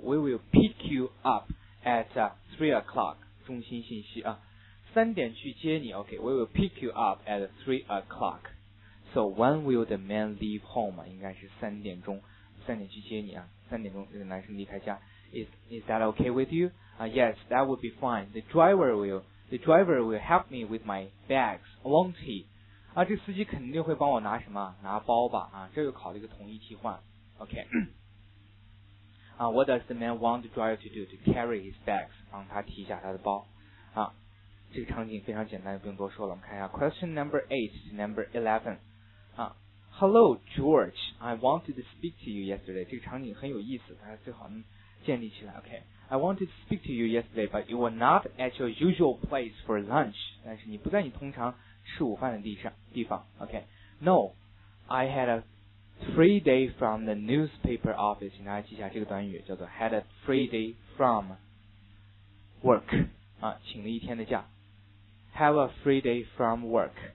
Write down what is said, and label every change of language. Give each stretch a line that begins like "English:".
English: We will pick you up at 3 o'clock
Chinese: 中心信息三点去接你
English: OK, we will pick you up at 3 o'clock。 So when will the man leave home?
Chinese: 应该是三点钟，三点去接你三点钟这个男生离开家。
English: Is that okay with you? Yes, that would be fine. The driver will help me with my bags, won't he?
Chinese: 这司机肯定会帮我拿什么？拿包吧这又考了一个同义替换。OK，
English: What does the man want the driver to do? To carry his bags.
Chinese: 帮他提一下他的包。啊，这个场景非常简单，不用多说了。我们看一下
English: question number 8 to number 11。啊 ，Hello George, I wanted to speak to you yesterday.
Chinese: 这个场景很有意思，大家最好能建立起来。
English: OK, I wanted to speak to you yesterday, but you were not at your usual place for lunch.
Chinese: 但是你不在你通常吃午饭的地方。
English: OK, No, I had a free day from the newspaper office.
Chinese: 请大家记下这个短语，叫做
English: had a free day from work。
Chinese: 啊，请了一天的假。
English: Have a free day from work.